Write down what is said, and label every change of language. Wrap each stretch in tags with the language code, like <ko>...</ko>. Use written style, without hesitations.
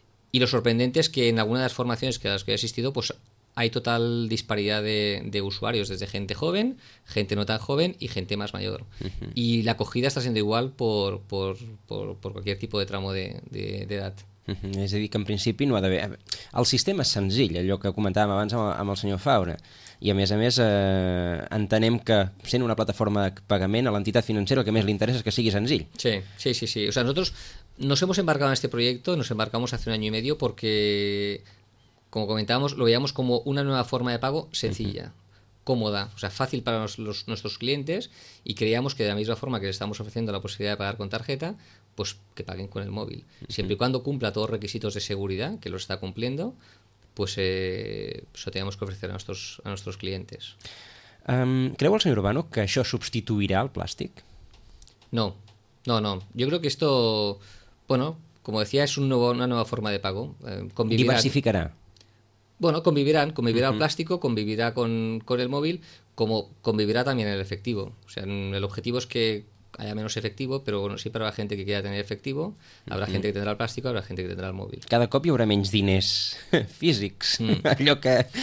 <es>Y lo sorprendente es que en alguna de las formaciones a las que he asistido, pues hay total disparidad de usuarios, desde gente joven, gente no tan joven y gente más mayor. Y la acogida está siendo igual por cualquier tipo de tramo de edad.</es> <ca>És a dir, que en principi no ha d'haver... El sistema és senzill, allò que comentàvem abans amb el senyor Faura. I a més entenem que sent una plataforma de pagament a l'entitat financera el que més li interessa és que sigui senzill.</ca> <es>Sí. O sea, nosotros nos hemos embarcado en este proyecto, nos embarcamos hace 1 año y medio porque... Como comentábamos, lo veíamos como una nueva forma de pago sencilla, cómoda, o sea, fácil para nuestros clientes, y creíamos que de la misma forma que les estamos ofreciendo la posibilidad de pagar con tarjeta, pues que paguen con el móvil. Siempre y cuando cumpla todos los requisitos de seguridad, que lo está cumpliendo, pues eso teníamos que ofrecer a nuestros clientes.</es> <ca>¿Creu el señor Urbano que això substituirá el plástico?</ca> <es>No. Yo creo que esto, bueno, como decía, es una nueva forma de pago. Diversificará. Bueno, convivirá el plástico, convivirá con el móvil, como convivirá también el efectivo. O sea, el objetivo es que haya menos efectivo, pero bueno, siempre habrá gente que quiera tener efectivo, habrá gente que tendrá el plástico, habrá gente que tendrá el móvil.</es> <ca>Cada cop hi haurà menys diners físics, allò que...</ca>